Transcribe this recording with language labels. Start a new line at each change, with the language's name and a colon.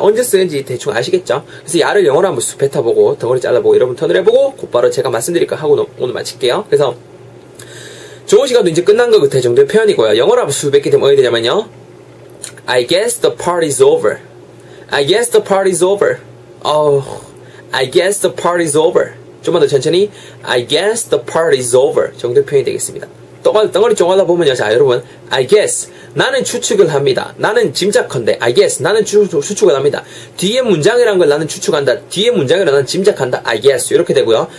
Korean: 언제 쓰는지 대충 아시겠죠? 그래서 야를 영어로 한번 뱉어보고 덩어리 잘라보고 여러분 턴을 해보고 곧바로 제가 말씀드릴 거 하고 오늘 마칠게요. 그래서 좋은 시간도 이제 끝난 것 같아 정도의 표현이고요. 영어로 한번 뱉게 되면 어디 되냐면요,
English: I guess the party's over. I guess the party's over. Oh, I guess the party's over.
Korean: 좀만 더 천천히
English: I guess the party's over
Korean: 정도의 표현이 되겠습니다. 덩어리 쪼갈라 보면요, 자 여러분,
English: I guess,
Korean: 나는 추측을 합니다. 나는 짐작컨대,
English: I guess,
Korean: 나는 추측을 합니다. 뒤에 문장이란 걸 나는 추측한다, 뒤에 문장이란 나는 짐작한다, I guess, 이렇게 되고요.